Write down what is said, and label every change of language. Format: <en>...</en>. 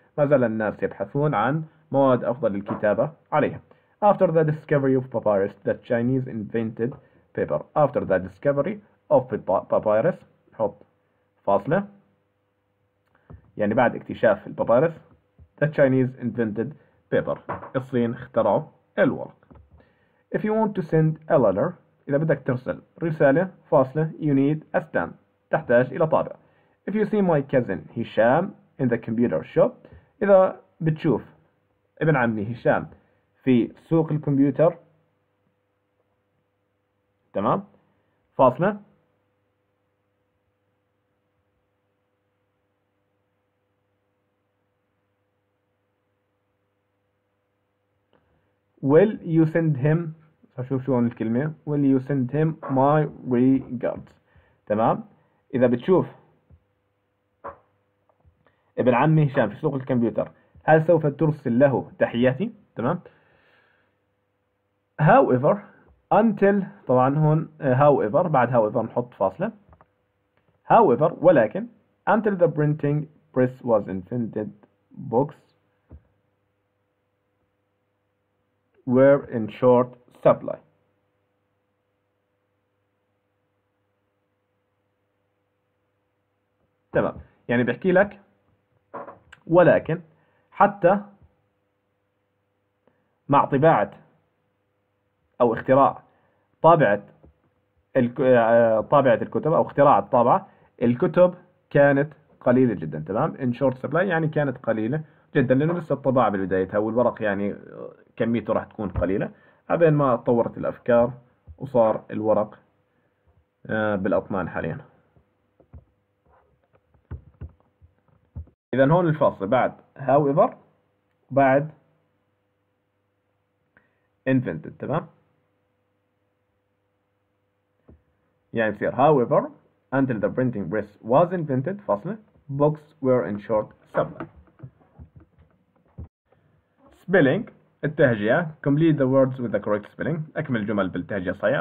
<ar>ما زال الناس يبحثون عن مواد أفضل للكتابة عليها.</ar> <en>After the discovery of papyrus, the Chinese invented paper. After the discovery of papyrus,</en> <ar>حط فاصلة. يعني بعد اكتشاف البابيروس,</ar> <en>the Chinese invented paper.</en> <ar>الصين اخترعوا الورق.</ar> <en>If you want to send a letter,</en> <ar>إذا بدك ترسل رسالة, فاصلة,</ar> <en>you need a stamp.</en> <ar>تحتاج إلى طابع.</ar> <en>If you see my cousin Hisham in the computer shop,</en> <ar>إذا بتشوف ابن عمي هشام في سوق الكمبيوتر. تمام؟ فاصلة.</ar> <en>Will you send him،</en> <ar>أشوف شو هون الكلمة،</ar> <en>Will you send him my regards.</en> <ar>تمام؟ إذا بتشوف ابن عمي هشام في سوق الكمبيوتر، هل سوف ترسل له تحياتي؟ تمام؟</ar> <en>however until،</en> <ar>طبعا هون however، بعد however نحط فاصلة.</ar> <en>however ولكن، until the printing press was invented, books were in short supply.</en> <ar>تمام، يعني بحكي لك ولكن حتى مع طباعة أو اختراع طابعة الكتب أو اختراع الطابعة، الكتب كانت قليلة جدا. تمام؟</ar> <en>in short supply</en> <ar>يعني كانت قليلة جدا، لأنه لسه الطباعة بالبدايتها والورق يعني كميته راح تكون قليلة. أبين ما تطورت الأفكار وصار الورق بالأطنان حاليا. إذن هون الفاصل بعد however، بعد invented.</ar> <en>تمام؟</en> <ar>يعني يصير</ar> <en>however until the printing press was invented، فاصلة، books were in short supply. spelling،</en> <ar>التهجئة،</ar> <en>complete the words with the correct spelling،</en> <ar>أكمل الجمل بالتهجئة الصحيحة.</ar>